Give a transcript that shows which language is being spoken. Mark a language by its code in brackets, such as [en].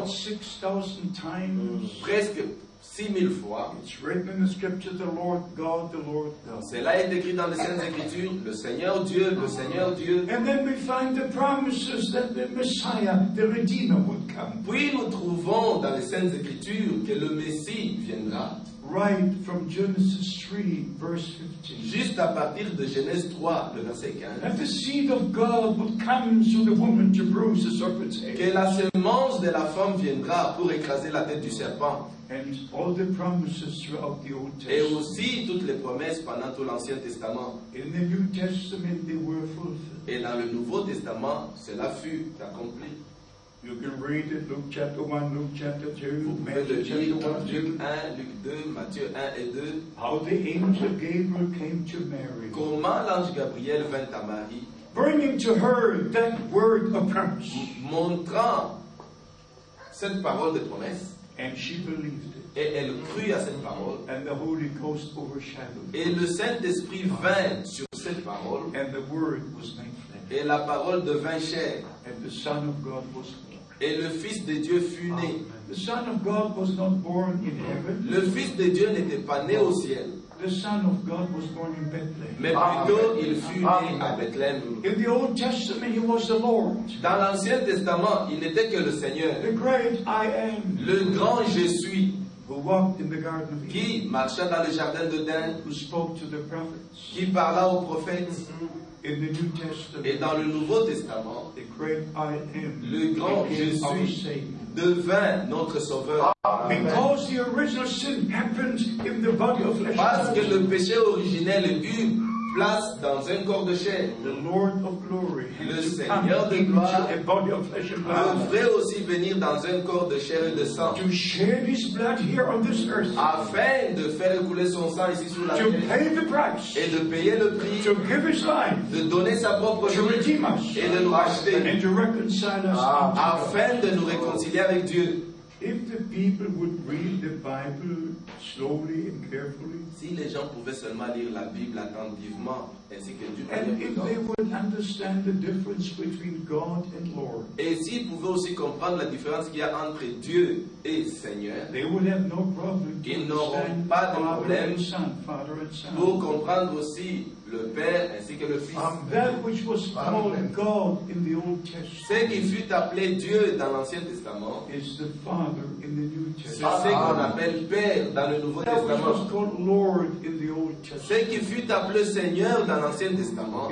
[en] About 6,000 times. [fr] Presque 6,000 fois. [en] It's written in the Scripture, the Lord God, the Lord God. [fr] Cela est écrit dans les Saintes Écritures, le Seigneur Dieu, le Seigneur Dieu. [en] And then we find the promises that the Messiah, the Redeemer, would come. [fr] Puis nous trouvons dans les Saintes Écritures que le Messie viendra. [en] Right from Genesis 3, verse 15. [fr] Juste à partir de Genèse 3, le verset 15. [en] That the seed of God would come through the woman to bruise the serpent's head. [fr] Que la semence de la femme viendra pour écraser la tête du serpent. [en] And all the promises throughout the Old Testament. [fr] Et aussi toutes les promesses pendant tout l'Ancien Testament. [en] In the New Testament, they were fulfilled. [fr] Et dans le Nouveau Testament, cela fut accompli. [en] You can read it, Luke chapter 1, Luke chapter 2, [fr] vous [en] Matthew chapter 1, [fr] Luke 1, Luke 2, Matthieu 1 et 2. [en] How the angel Gabriel came to Mary. [fr] Comment l'ange Gabriel vint à Marie. [en] Bringing to her that word of promise. [fr] Montrant cette parole de promesse. [en] And she believed it. [fr] Et elle crut à cette parole. [en] And the Holy Ghost overshadowed. [fr] Et le Saint-Esprit vint sur cette parole. [en] And the word was made flesh. [fr] Et la parole devint chair. [en] And the Son of God was born. [fr] Et le Fils de Dieu fut né. [en] The Son of God was not born in heaven. [fr] Le Fils de Dieu n'était pas né au ciel. [en] The Son of God was born in Bethlehem. [fr] Mais plutôt, il fut né à Bethléem. [en] In the Old Testament, he was the Lord. [fr] Dans l'Ancien Testament, il n'était que le Seigneur. [en] The great I am. [fr] Le grand Je suis. [en] Who walked in the garden of Eden. [fr] Qui marcha dans le jardin d'Eden. [en] Who spoke to the prophets. [fr] Qui parla aux prophètes. [en] In the New Testament, [fr] et dans le Nouveau Testament, [en] the great I am, [fr] le grand Je suis devint notre Sauveur. [en] Because the original sin happened in the body of flesh. [fr] Parce que le péché originel est eu place dans un corps de chair. [en] The Lord of glory. [fr] Le Seigneur de gloire. [en] A body of flesh and blood. [fr] Devrait aussi venir dans un corps de chair et de sang. [en] To shed his blood here on this earth. [fr] Afin de faire couler son sang ici sur la terre. [en] To pay the price. [fr] Et de payer le prix. [en] To give his life. [fr] De donner sa propre vie. [en] To redeem us. [fr] Et de nous racheter. [en] And to reconcile us. [fr] Afin de nous réconcilier avec Dieu. [en] If the people would read the Bible slowly and carefully, [fr] si les gens pouvaient seulement lire la Bible attentivement, ainsi que Dieu [en] and if they would understand the difference between God and Lord, [fr] et s'ils pouvaient aussi comprendre la différence qu'il y a entre Dieu et Seigneur, [en] they would have no problem. [fr] Ils n'auront pas de problème [en] Father and Son, [fr] pour comprendre aussi le Père ainsi que le Fils. [en] That which was called God in the Old Testament, [fr] ce qui fut appelé Dieu dans l'Ancien Testament, [en] is the Father in the New Testament. [fr] C'est ce qu'on appelle Père dans le Nouveau [en] that [fr] Testament. [en] Which was called Lord in the Old Testament, [fr] ce qui fut appelé Seigneur dans l'Ancien Testament,